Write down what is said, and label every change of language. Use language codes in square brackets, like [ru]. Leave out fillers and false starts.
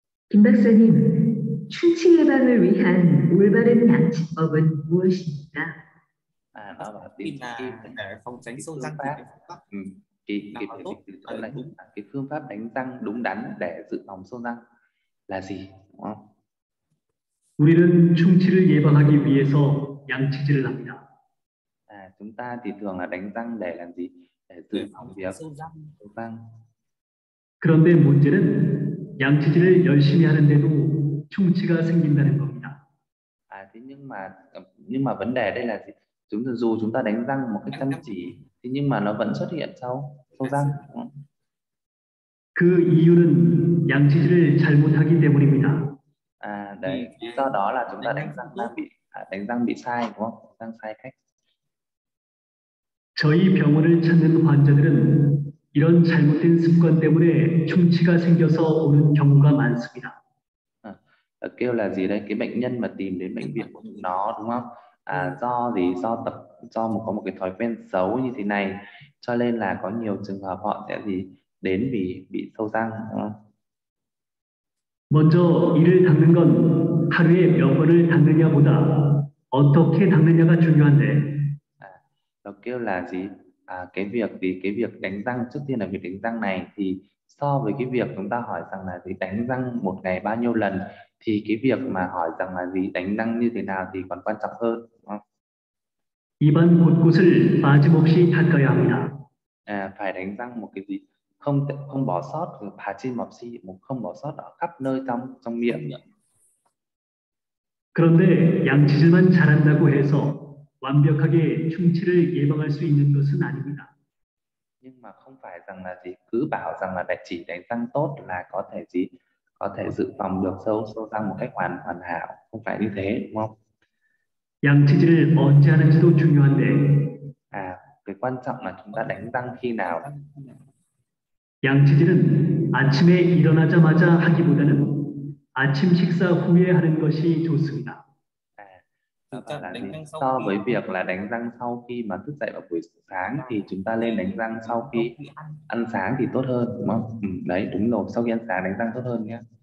[ko] Kim 박사님, 충치 예방을 위한 올바른 양치법은 무엇입니까? [vi] cái phương pháp đánh răng đúng đắn để dự phòng sâu răng là gì, đúng không? [ko] 우리는 충치를 예방하기 위해서 양치질을 합니다. [vi] 아, chúng ta thì thường là đánh răng để làm gì? Để dự phòng việc sâu răng. [ko] 그런데 문제는 양치질을 열심히 하는데도 충치가 생긴다는 겁니다. [vi] 아, thế nhưng mà vấn đề đây là gì? Chúng ta đánh răng một cách chăm chỉ thế nhưng mà nó vẫn xuất hiện sâu răng. [ko] 그 이유는 양치질을 잘못하기 때문입니다. [vi] 아, đấy, do đó là chúng ta đánh răng bị sai đúng không? Răng sai cách. [ko] 저희 병원을 찾는 환자들은 이런 잘못된 습관 때문에 충치가 생겨서 오는 경우가 많습니다. [vi] 아, kêu là gì đây? Cái bệnh nhân mà tìm đến bệnh viện của nó đúng không? À, do gì? Do tập, do một có một cái thói quen xấu như thế này, cho nên là có nhiều trường hợp họ sẽ gì đến vì bị sâu răng. [ko] 먼저 이를 닦는 건 하루에 몇 번을 닦느냐보다 어떻게 닦느냐가 중요한데. [vi] 아, kêu là gì? À, cái việc thì cái việc đánh răng trước tiên là việc đánh răng này thì so với cái việc chúng ta hỏi rằng là gì đánh răng một ngày bao nhiêu lần thì cái việc mà hỏi rằng là gì đánh răng như thế nào thì còn quan trọng hơn. [ko] 입안 곳곳을 빠짐없이 닦아야 합니다. [vi] À, phải đánh răng một cái gì không bỏ sót, không bỏ sót ở khắp nơi trong miệng. [ko] 그런데 양치질만 잘한다고 해서 완벽하게 충치를 예방할 수 있는 것은 아닙니다. [vi] Nhưng mà không phải rằng là gì cứ bảo rằng là chỉ đánh răng tốt là có thể gì có thể dự phòng được sâu răng một cách hoàn hảo, không phải như thế, đúng không? [ko] 양치질을 언제 하는지도 중요한데. [vi] À, cái quan trọng là chúng ta đánh răng khi nào? [ko] 양치질은 아침에 일어나자마자 하기보다는 아침 식사 후에 하는 것이 좋습니다. [vi] So với việc là đánh răng sau khi mà thức dậy vào buổi sáng thì chúng ta nên đánh răng sau khi ăn sáng thì tốt hơn, đúng không? Ừ, đấy, đúng rồi, sau khi ăn sáng đánh răng tốt hơn nhé.